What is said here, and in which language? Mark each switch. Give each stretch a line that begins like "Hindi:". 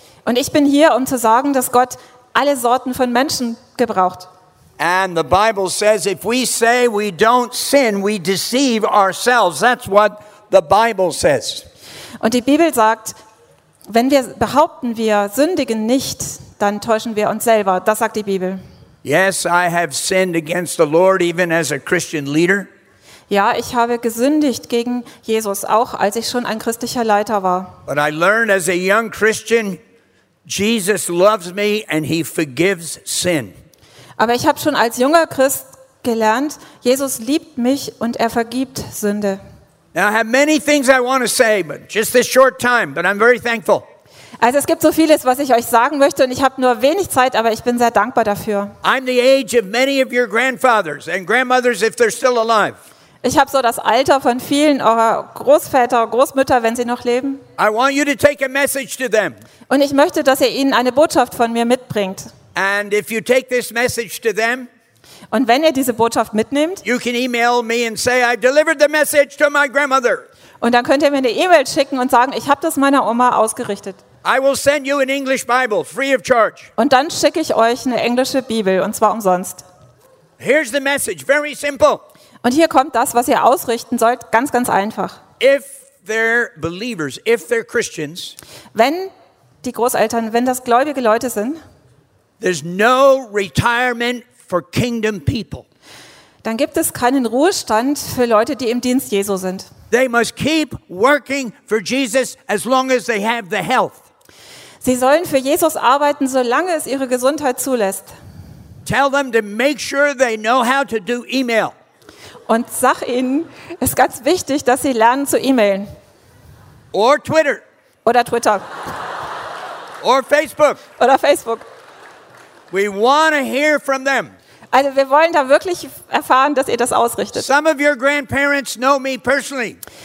German: Und ich bin hier, um zu sagen, dass Gott alle Sorten von Menschen gebraucht.
English: And the Bible says if we say we don't sin, we deceive ourselves. That's what the Bible says.
German: Und die Bibel sagt, wenn wir behaupten, wir sündigen nicht, dann täuschen wir uns selber. Das sagt die Bibel.
English: Yes, I have sinned against the Lord even as a Christian leader.
German: Ja, ich habe gesündigt gegen Jesus, auch als ich schon ein christlicher Leiter war.
English: But I learned as a young Christian Jesus loves me and he forgives sin.
German: Aber ich habe schon als junger Christ gelernt, Jesus liebt mich und er vergibt Sünde.
English: Now I have many things I want to say, but just this short time, but I'm very thankful.
German: Also es gibt so vieles, was ich euch sagen möchte und ich habe nur wenig Zeit, aber ich bin sehr dankbar dafür.
English: I'm the age of many of your grandfathers and grandmothers if they're still alive.
German: Ich habe so das Alter von vielen eurer Großväter, Großmütter, wenn sie noch leben.
English: I want you to take a message to them.
German: Und ich möchte, dass ihr ihnen eine Botschaft von mir mitbringt.
English: And if you take this message to them,
German: und wenn ihr diese Botschaft mitnehmt,
English: you can email me and say, I delivered the message to my grandmother.
German: Und dann könnt ihr mir eine E-Mail schicken und sagen, ich habe das meiner Oma ausgerichtet.
English: I will send you an English Bible, free of charge.
German: Und dann schicke ich euch eine englische Bibel, und zwar umsonst.
English: Here's the message, very simple.
German: Und hier kommt das, was ihr ausrichten sollt, ganz, ganz einfach.
English: If they're believers, if they're Christians,
German: wenn die Großeltern, wenn das gläubige Leute sind,
English: there's no retirement for kingdom people.
German: Dann gibt es keinen Ruhestand für Leute, die im Dienst Jesu sind.
English: They must keep working for Jesus as long as they have the health.
German: Sie sollen für Jesus arbeiten, solange es ihre Gesundheit zulässt.
English: Tell them to make sure they know how to do email.
German: Und sag ihnen, es ist ganz wichtig, dass sie lernen zu e-mailen.
English: Or Twitter.
German: Oder Twitter.
English: Or Facebook.
German: Oder Facebook.
English: We want to hear from them.
German: Also wir wollen da wirklich erfahren, dass ihr das ausrichtet.
English: Some of your grandparents know me personally.